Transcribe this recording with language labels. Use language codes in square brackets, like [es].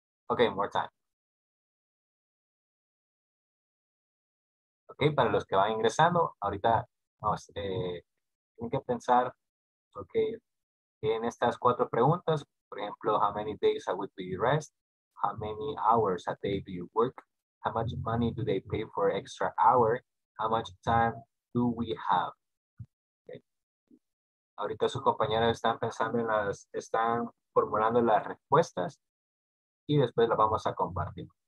[en] Okay, more time. [es] Okay, para los que van ingresando, ahorita vamos, tienen que pensar, okay, en estas 4 preguntas. Por ejemplo, [en] how many days a week do you rest? How many hours a day do you work? How much money do they pay for extra hour? How much time do we have? [es] Ahorita sus compañeros están pensando en las, están formulando las respuestas y después las vamos a compartir.